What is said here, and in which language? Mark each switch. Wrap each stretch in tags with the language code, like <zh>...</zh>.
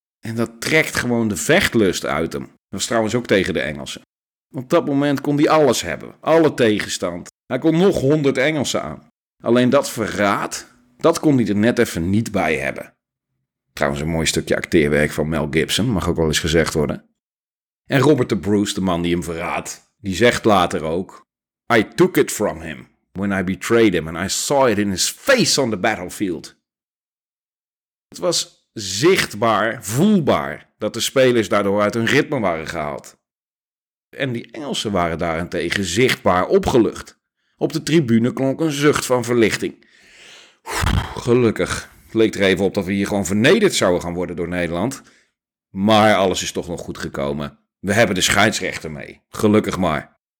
<nl>En dat trekt gewoon de vechtlust uit hem. Dat was trouwens ook tegen de Engelsen. Op dat moment kon hij alles hebben. Alle tegenstand. Hij kon nog 100 Engelsen aan. Alleen dat verraad, dat kon hij er net even niet bij hebben. Trouwens een mooi stukje acteerwerk van Mel Gibson, mag ook wel eens gezegd worden. En Robert de Bruce, de man die hem verraadt, die zegt later ook,</nl> <en>I took it from him when I betrayed him and I saw it in his face on the battlefield.</en> <nl>Het was zichtbaar, voelbaar, dat de spelers daardoor uit hun ritme waren gehaald. En die Engelsen waren daarentegen zichtbaar opgelucht. Op de tribune klonk een zucht van verlichting. Gelukkig. Het leek er even op dat we hier gewoon vernederd zouden gaan worden door Nederland. Maar alles is toch nog goed gekomen. We hebben de scheidsrechter mee. Gelukkig maar.</nl>